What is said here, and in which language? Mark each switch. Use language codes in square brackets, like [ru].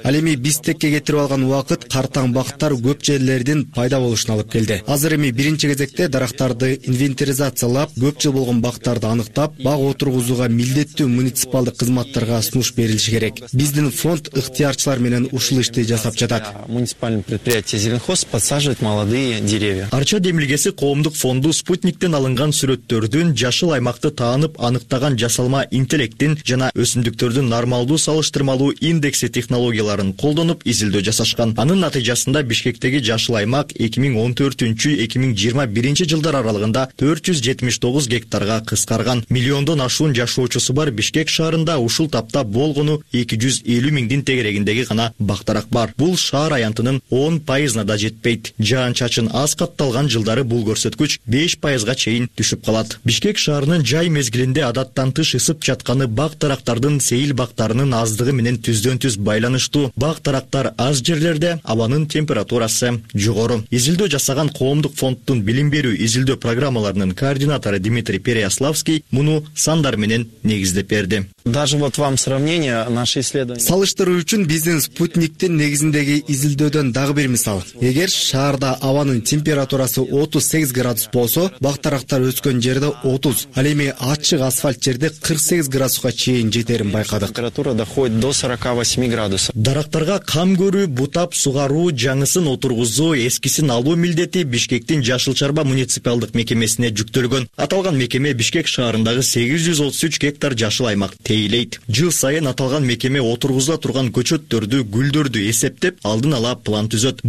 [ky] Ал эми бизтекке кетирип алган убакыт картаң бактар көп жерлердин пайда болушуна алып келди. Азыр эми биринчи кезекте дарактарды инвентаризациялап, көп жыл болгон бактарды аныктап, бак отургузууга милдеттүү муниципалдык кызматтарга сунуш берилиши керек. Биздин фонд ыктыярчылар менен ушул ишти жасап жатат. [ru] Муниципальный предприятие Зеленхоз подсаживает молодые деревья. [ky] Арча демилгеси коомдук фонду спутниктен алынган сүрөттөрдүн жашыл аймакты таанып аныктаган жасалма интеллекттин жана өсүмдүктөрдүн нормалдуу салыштырмалуу индекси технологияларын колдонуп изилдөө жасашкан. Анын натыйжасында Бишкектеги жашыл аймак 2014-2021 жылдар аралыгында 479 гектарга кыскарган. Миллиондон ашуун жашоочусу бар Бишкек шаарында ушул тапта болгону 250 миңдин тегерегиндеги гана бактарак бар. Бул шаар аянтынын 10% да жетпейт. Жаан чачын аз катталган жылдары бул көрсөткүч 5% чейин түшүп калат. Бишкек шаарынын жай мезгилинде адаттан тыш ысып жатканы бак дарактардын сейил бактарынын аздыгы менен түздөн-түз байланыштуу. Бак дарактар аз жерлерде абанын температурасы жогору. Изилдөө жасаган коомдук фонддун билим берүү изилдөө программаларынын координатору Дмитрий Переяславский муну сандар менен негиздеп берди. [ru] Даже вот вам сравнение наши исследования. [ky] Салыштыруу үчүн биздин спутниктин негизиндеги изилдөөдөн дагы бир мисал. Эгер шаарда абанын температурасы 38 градус болсо, бак дарактар өскөн жерде 30, ал эми ачык асфальт жерде 48 градуска чейин жетерин байкадык. [ru] Температура доходит до 48 градусов. [ky] Дарактарга кам көрүү, бутап сугаруу, жаңысын отургузуу, эскисин алуу милдети Бишкектин жашыл чарба муниципалдык мекемесине жүктөлгөн. Аталган мекеме Бишкек шаарындагы 833 гектар жашыл аймак тейлейт. Жыл сайын аталган мекеме отургузула турган көчөттөрдү, гүлдөрдү эсептеп, алдын ала план түзөт.